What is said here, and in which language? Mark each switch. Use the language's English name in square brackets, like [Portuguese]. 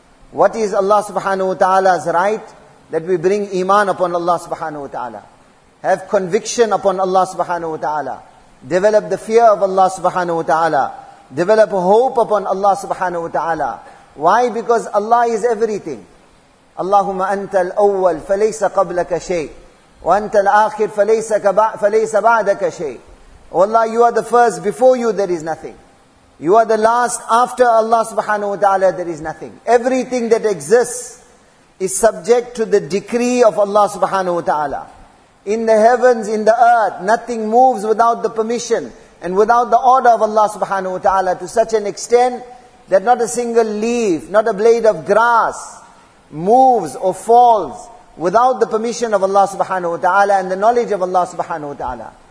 [English] What is Allah subhanahu wa ta'ala's right? That we bring iman upon Allah subhanahu wa ta'ala. Have conviction upon Allah subhanahu wa ta'ala. Develop the fear of Allah subhanahu wa ta'ala. Develop hope upon Allah subhanahu wa ta'ala. Why? Because Allah is everything. [Arabic] اللهم أنت الأول فليس قبلك شيء وأنت الآخر فليس بعدك شيء. [English] والله you are the first, before you there is nothing. You are the last, after Allah subhanahu wa ta'ala there is nothing. Everything that exists is subject to the decree of Allah subhanahu wa ta'ala. In the heavens, in the earth, nothing moves without the permission and without the order of Allah subhanahu wa ta'ala, to such an extent that not a single leaf, not a blade of grass moves or falls without the permission of Allah subhanahu wa ta'ala and the knowledge of Allah subhanahu wa ta'ala.